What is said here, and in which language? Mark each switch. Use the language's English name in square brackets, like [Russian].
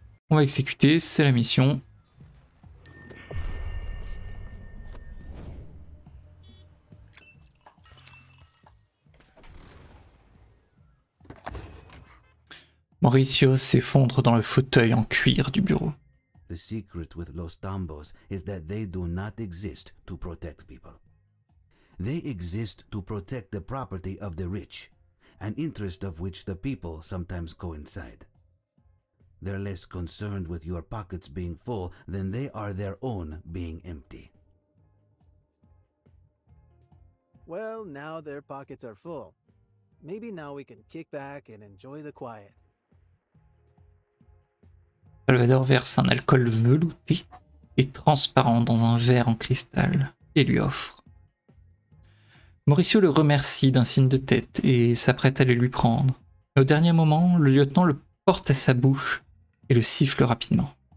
[French] On va exécuter, c'est la mission. Mauricio s'effondre dans le fauteuil en cuir du bureau. [English] The secret with Los Tambos is that they do not exist to protect people. They exist to protect the property of the rich, an interest of which the people sometimes coincide. They're less concerned with your pockets being full than they are their own being empty. Well, now their pockets are full. Maybe now we can kick back and enjoy the quiet. [French] Salvador verse un alcool velouté et transparent dans un verre en cristal et lui offre. Mauricio le remercie d'un signe de tête et s'apprête à le lui prendre. Mais au dernier moment, le lieutenant le porte à sa bouche et le siffle rapidement.